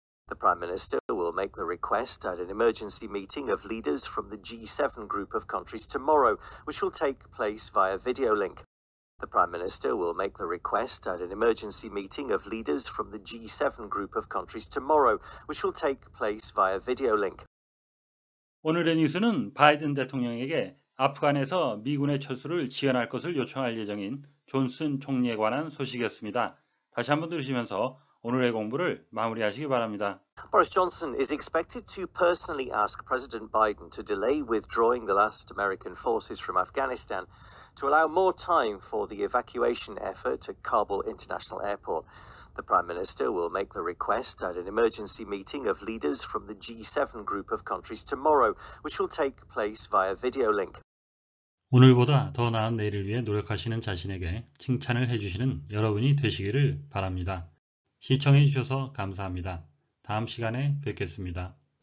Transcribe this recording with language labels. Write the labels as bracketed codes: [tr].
[en] The Prime Minister will make the request at an emergency meeting of leaders from the G7 group of countries tomorrow, which will take place via video link. The Prime Minister will make the request at an emergency meeting of leaders from the G7 group of countries tomorrow, which will take place via video link. [ko] 오늘의 뉴스는 바이든 대통령에게 아프간에서 미군의 철수를 지연할 것을 요청할 예정인 존슨 총리에 관한 소식이었습니다. 다시 한번 들으시면서 오늘의 공부를 마무리하시기 바랍니다. [en] Boris Johnson is expected to personally ask President Biden to delay withdrawing the last American forces from Afghanistan to allow more time for the evacuation effort at Kabul International Airport. The Prime Minister will make the request at an emergency meeting of leaders from the G7 group of countries tomorrow, which will take place via video link. [ko] 오늘보다 더 나은 내일을 위해 노력하시는 자신에게 칭찬을 해주시는 여러분이 되시기를 바랍니다. 시청해 주셔서 감사합니다. 다음 시간에 뵙겠습니다.